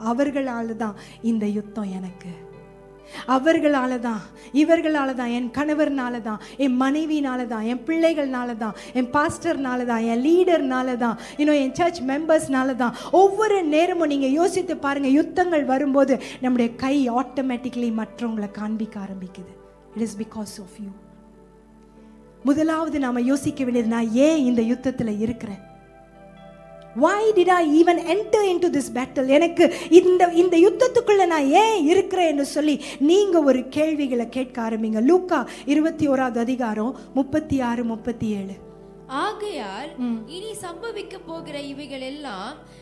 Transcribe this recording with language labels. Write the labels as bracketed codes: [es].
[ta] அவர்களால் தான் இந்த யுத்தம் எனக்கு, அவர்களால தான், இவர்களால தான், என் கணவர்னால தான், என் மனைவினால தான், என் பிள்ளைகள்னால தான், என் பாஸ்டர்னால தான், என் லீடர்னால தான், இன்னும் என் சர்ச் மெம்பர்ஸ்னால தான். ஒவ்வொரு நேரமும் நீங்கள் யோசித்து பாருங்கள், யுத்தங்கள் வரும்போது நம்முடைய கை ஆட்டோமேட்டிக்கலி மற்றவங்களை காண்பிக்க ஆரம்பிக்குது. [en] It is because of you. [ta] முதலாவது நாம் யோசிக்க வேண்டியது, நான் ஏன் இந்த யுத்தத்தில் இருக்கிறேன்? [en] Why did I even enter into this battle? [ta] எனக்கு இந்த யுத்தத்துக்குள்ள நான் ஏன் இருக்கிறேன் சொல்லி நீங்க ஒரு கேள்விகளை கேட்க ஆரம்பிங்க. லூக்கா 21:36-37. ஆகையால் இனி சம்பவிக்க போகிற இவைகள் எல்லாம்